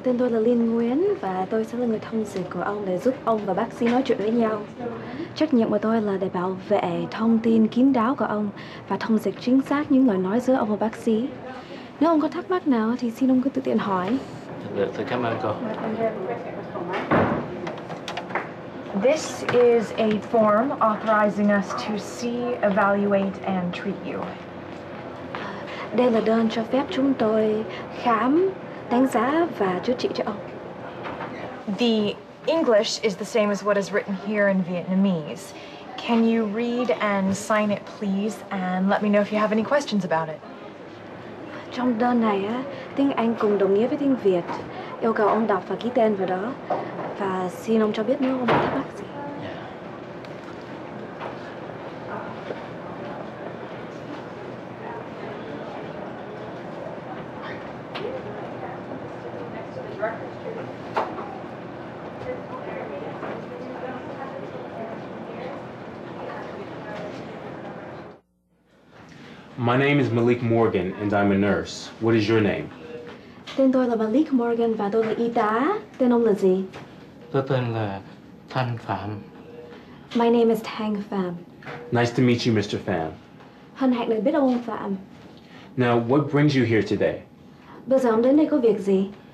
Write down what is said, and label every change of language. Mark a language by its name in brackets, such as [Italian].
[Vietnamese] Tên tôi là Lynn Nguyễn và tôi sẽ là người thông dịch của ông để giúp ông và bác sĩ nói chuyện với nhau. Trách nhiệm của tôi là để bảo vệ thông tin kín đáo của ông và thông dịch chính xác những lời nói giữa ông và bác sĩ. Nếu ông có thắc mắc nào thì xin ông cứ tự tiện hỏi. Thưa cảm ơn cô. [English] This is a form authorizing us to see, evaluate and treat you. [Vietnamese] Đây là đơn cho phép chúng tôi khám, đánh giá và chữa trị cho ông. [English] The English is the same as what is written here in Vietnamese. Can you read and sign it, please, and let me know if you have any questions about it. [Vietnamese] Trong đơn này á, tiếng Anh cùng đồng nghĩa với tiếng Việt. Yêu cầu ông đọc và ký tên vào đó. Và xin ông cho biết nếu ông có thắc mắc gì. [English] My name is Malik Morgan, and I'm a nurse. What is your name? [Vietnamese] Tên tôi là Malik Morgan và tôi là y tá. Tên ông là gì? Tôi tên là Thanh Pham. [English] My name is Thanh Pham. Nice to meet you, Mr. Pham. [Vietnamese] Hân hạnh được biết ông Pham. [English] Now, what brings you here today? [Vietnamese] Bây giờ ông đến đây có việc gì?